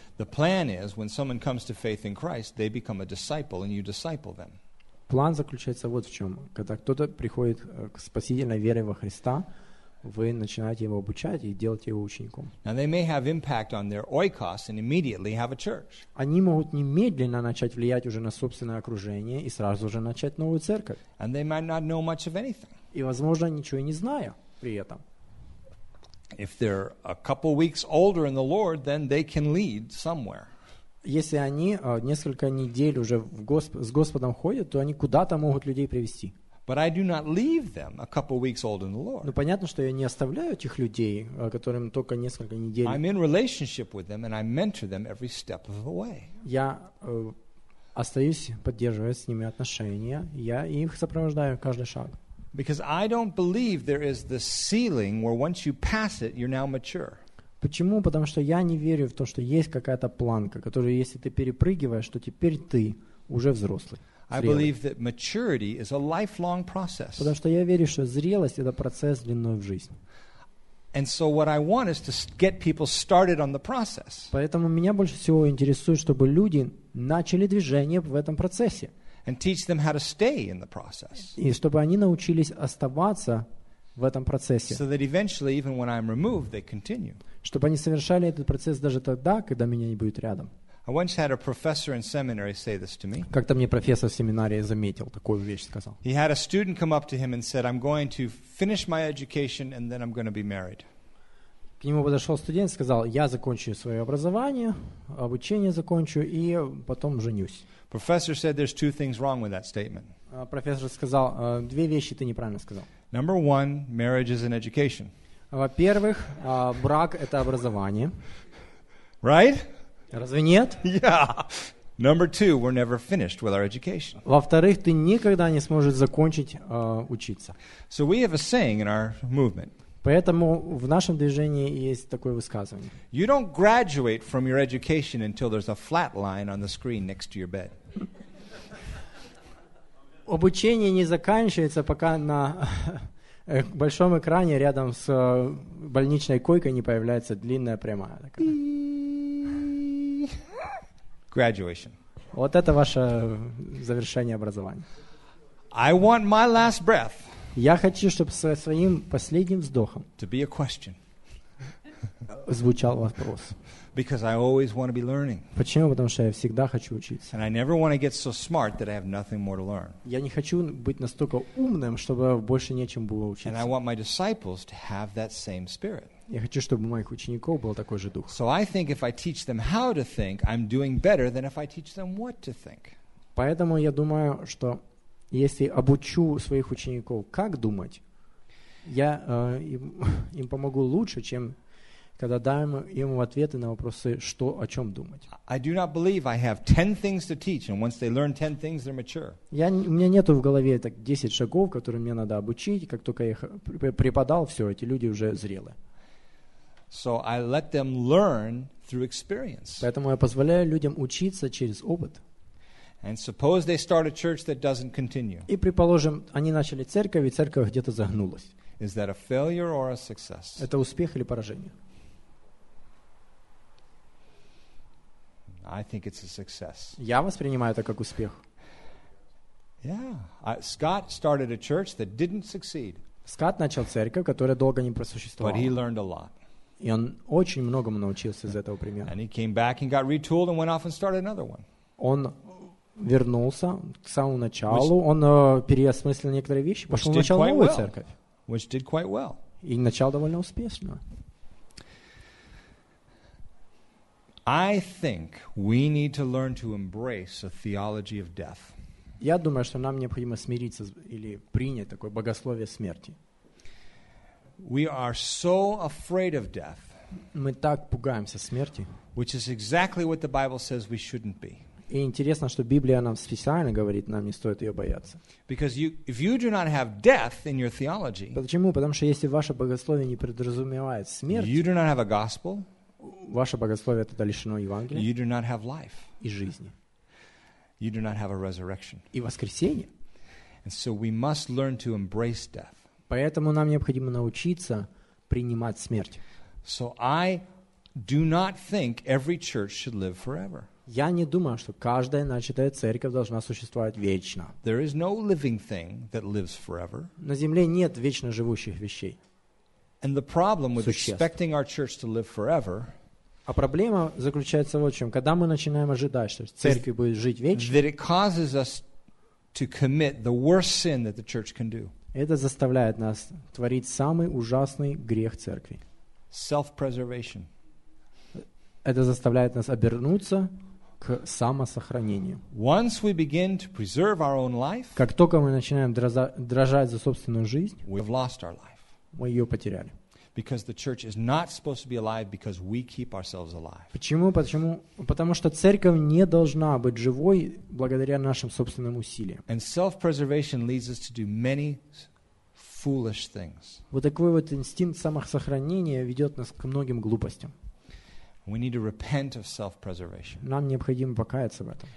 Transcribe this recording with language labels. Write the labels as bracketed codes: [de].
[en] The plan is, when someone comes to faith in Christ, they become a disciple and you disciple them. [ru] План заключается вот в чем. Когда кто-то приходит к спасительной вере во Христа, вы начинаете его обучать и делать его учеником. [en] Now they may have impact on their oikos and immediately have a church. [ru] Они могут немедленно начать влиять уже на собственное окружение и сразу же начать новую церковь. [en] And they might not know much of anything. [ru] И, возможно, ничего и не зная при этом. [en] If they're a couple weeks older in the Lord, then they can lead somewhere. [ru] Если они несколько недель уже с Господом ходят, то они куда-то могут людей привести. [en] But I do not leave them a couple weeks old in the Lord. [ru] Ну понятно, что я не оставляю этих людей, которым только несколько недель. [en] I'm in relationship with them and I mentor them every step of the way. [ru] Я остаюсь, поддерживаю с ними отношения, я их сопровождаю каждый шаг. [en] Because I don't believe there is the ceiling where once you pass it, you're now mature. [ru] Почему? Потому что я не верю в то, что есть какая-то планка, которую если ты перепрыгиваешь, что теперь ты уже взрослый. [en] I believe that maturity is a lifelong process. [ru] Потому что я верю, что зрелость это процесс длиной в жизнь. [en] And so what I want is to get people started on the process. [ru] Поэтому меня больше всего интересует, чтобы люди начали движение в этом процессе. [en] And teach them how to stay in the process. [ru] И чтобы они научились оставаться в этом процессе. [en] So that eventually, even when I'm removed, they continue. [ru] Чтобы они совершали этот процесс даже тогда, когда меня не будет рядом. [en] I once had a professor in seminary say this to me. [ru] Как-то мне профессор в семинарии заметил такую вещь, сказал. [en] He had a student come up to him and said, "I'm going to finish my education and then I'm going to be married." [ru] К нему подошел студент, сказал: "Я закончу свое образование, обучение закончу и потом женюсь." [en] Professor said, "There's two things wrong with that statement." [ru] Профессор сказал: "Две вещи ты неправильно сказал." [en] Number one, marriage is an education. [ru] Во-первых, брак это образование. [en] Right? [ru] Разве нет? [en] Yeah. Number two, we're never finished with our education. [ru] Во-вторых, ты никогда не сможешь закончить учиться. [en] So we have a saying in our movement. [ru] Поэтому в нашем движении есть такое высказывание. [en] You don't graduate from your education until there's a flat line on the screen next to your bed. [ru] Обучение не заканчивается, пока на большом экране рядом с больничной койкой не появляется длинная прямая. Такая. [en] Graduation. [ru] Вот это ваше завершение образования. [en] I want my last breath. [ru] Я хочу, чтобы со своим последним вздохом [en] to be a question. [ru] Звучал вопрос. [en] Because I always want to be learning. [ru] Почему? Потому что я всегда хочу учиться. [en] And I never want to get so smart that I have nothing more to learn. [ru] Я не хочу быть настолько умным, чтобы больше нечем было учиться. [en] And I want my disciples to have that same spirit. [ru] Я хочу, чтобы у моих учеников был такой же дух. [en] So I think if I teach them how to think, I'm doing better than if I teach them what to think. [ru] Поэтому я думаю, что если обучу своих учеников, как думать, я им помогу лучше, чем когда дам им ответы на вопросы, что, о чем думать. [en] I do not believe I have 10 things to teach, and once they learn 10 things, they're mature. [ru] У меня нету в голове так 10 шагов, которые мне надо обучить, как только я их преподал, все, эти люди уже зрелы. [en] So I let them learn through experience. [ru] Поэтому я позволяю людям учиться через опыт. [en] And suppose they start a church that doesn't continue. [ru] И предположим, они начали церковь, и церковь где-то загнулась. [en] Is that a failure or a success? [ru] Это успех или поражение? [en] I think it's a success. [ru] Я воспринимаю это как успех. [en] Yeah. Scott started a church that didn't succeed. [ru] Скотт начал церковь, которая долго не просуществовала. [en] But he learned a lot. [ru] И он очень многому научился из этого примера. [en] And he came back and got retooled and went off and started another one. [ru] Он вернулся к самому началу, он переосмыслил некоторые вещи, пошел начал новую церковь. [en] Which did quite well. [ru] И начал довольно успешно. [en] I think we need to learn to embrace a theology of death. [ru] Я думаю, что нам необходимо смириться или принять такое богословие смерти. [en] We are so afraid of death. [ru] Мы так пугаемся смерти. [en] Which is exactly what the Bible says we shouldn't be. [ru] И интересно, что Библия нам специально говорит, нам не стоит ее бояться. [en] Because you, if you do not have death in your theology, [ru] почему? Потому что если ваше богословие не предразумевает смерть, [en] you do not have a gospel, [ru] ваше богословие тогда лишено Евангелия, [en] you do not have life, [ru] и жизни, [en] you do not have a resurrection, [ru] и воскресение. [en] And so we must learn to embrace death. [ru] Поэтому нам необходимо научиться принимать смерть. [en] So I do not think every church should live forever. [ru] Я не думаю, что каждая начатая церковь должна существовать вечно. [en] There is no living thing that lives forever. [ru] На земле нет вечно живущих вещей. [en] And the problem with expecting our church to live forever, [ru] а проблема заключается в чем? Когда мы начинаем ожидать, что церковь будет жить вечно, [en] that it causes us to commit the worst sin that the church can do. [ru] Это заставляет нас творить самый ужасный грех церкви. [en] Self-preservation. [ru] Это заставляет нас обернуться к самосохранению. [en] Once we begin to preserve our own life, [ru] как только мы начинаем дрожать за собственную жизнь, [en] we've lost our life. [ru] Мы ее потеряли. [en] Because the church is not supposed to be alive because we keep ourselves alive. [ru] Почему? Почему? Потому что церковь не должна быть живой благодаря нашим собственным усилиям. [en] And self-preservation leads us to do many foolish things. [ru] Вот такой вот инстинкт самосохранения ведет нас к многим глупостям. [en] We need to repent of self-preservation. [ru] Нам необходимо покаяться в этом.